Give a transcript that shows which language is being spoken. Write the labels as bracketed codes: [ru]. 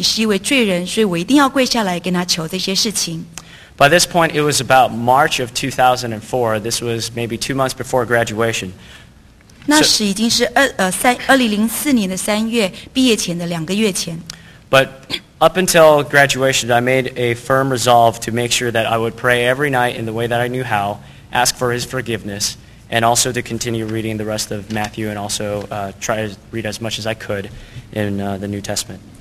[zh] 我那时候求他给我安慰，给我力量。或许我知道那时候，我觉得他不会给我，但是我觉得我已经认识到自己是一位罪人，所以我一定要跪下来跟他求这些事情。 [en] By this point, it was about March of 2004. This was maybe 2 months before graduation. [zh] 那时已经是2004年的3月，毕业前的2个月前。 [en] But up until graduation, I made a firm resolve to make sure that I would pray every night in the way that I knew how, ask for His forgiveness, and also to continue reading the rest of Matthew and also try to read as much as I could in the New Testament.